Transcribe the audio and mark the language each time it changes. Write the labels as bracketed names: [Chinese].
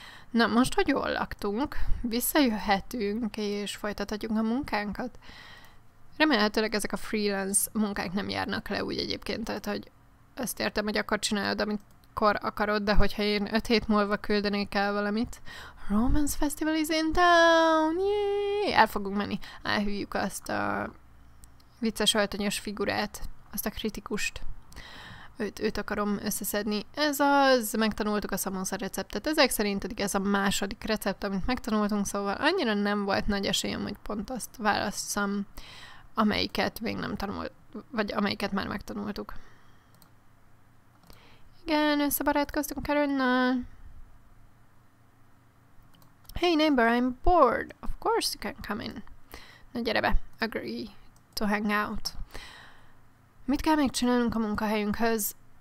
[Hungarian] Na, most, hogy jól laktunk, visszajöhetünk, és folytathatjuk a munkánkat. Remélhetőleg ezek a freelance munkák nem járnak le úgy egyébként, tehát, hogy ezt értem, hogy akkor csinálod, amit akkor akarod, de hogyha én 5 hét múlva küldenék el valamit. [English] Romance Festival is in town! [Hungarian] Yay! El fogunk menni. Elhívjuk azt a vicces öltönyös figurát, azt a kritikust. Őt akarom összeszedni. Ez az, megtanultuk a szamonsza receptet. Ezek szerint eddig ez a második recept, amit megtanultunk, szóval annyira nem volt nagy esélyem, hogy pont azt válasszam, amelyiket még nem tanult, vagy amelyiket már megtanultuk. Igen, összebarátkoztunk Karennal. [English] Hey neighbor, I'm bored. Of course you can come in. [Hungarian] Na gyere be, [English] agree to hang out. [Hungarian] Mit kell még csinálnunk a munkahelyünkhöz?